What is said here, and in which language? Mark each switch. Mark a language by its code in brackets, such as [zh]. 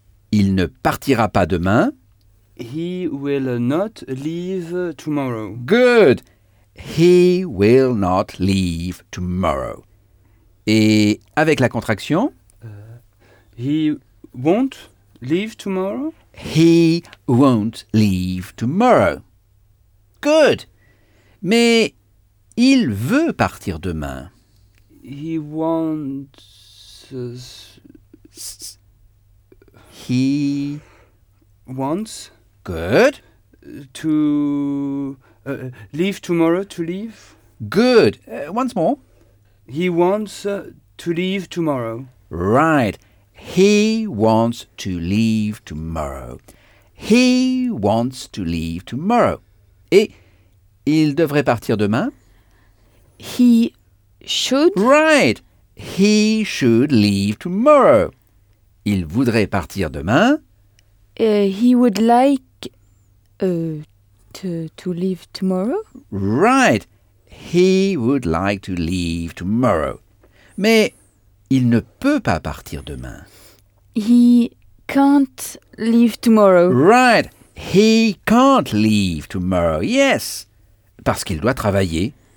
[fr] Il ne partira pas demain. [en] He will not leave tomorrow. Good. He will not leave tomorrow. [fr] Et avec la contraction? [en] He won't leave tomorrow. He won't leave tomorrow. Good. [fr] Mais il veut partir demain. [en] He wants... He... Wants... Good. To... leave tomorrow to leave. Good. Once more. He wants to leave tomorrow. Right. He wants to leave tomorrow. He wants to leave tomorrow. [fr] Et il devrait partir demain? [en] He should. Right. He should leave tomorrow. [fr] Il voudrait partir demain? [en] He would like to leave tomorrow. Right. He would like to leave tomorrow. [fr] Mais il ne peut pas partir demain. [en] He can't leave tomorrow. Right. He can't leave tomorrow. Yes. [fr] Parce qu'il doit travailler.